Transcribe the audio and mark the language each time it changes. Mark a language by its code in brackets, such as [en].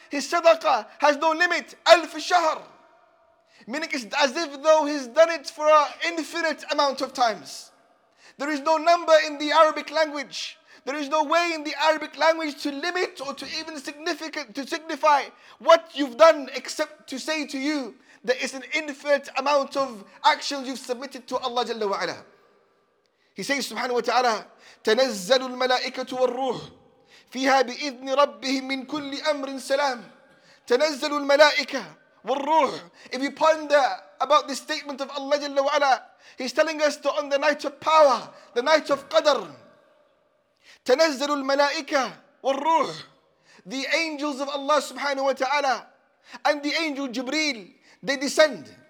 [en] His sadaqah has no limit. Alf shahr. Meaning it's as if though he's done it for an infinite amount of times. There is no number in the Arabic language. There is no way in the Arabic language to limit or to even significant to signify what you've done, except to say to you that it's an infinite amount of actions you've submitted to Allah Jalla wa Ala. He says, [ar] Subhanahu wa Ta'ala, تنزل الملائكة والروح فيها بإذن ربهم من كل أمر سلام. تنزل الملائكة والروح. [en] If you ponder about the statement of Allah Jalla wa Ala, he's telling us that on the night of power, the night of Qadr, [ar] تنزل الملائكة والروح, [en] the angels of Allah Subhanahu wa Ta'ala and the angel Jibreel, they descend.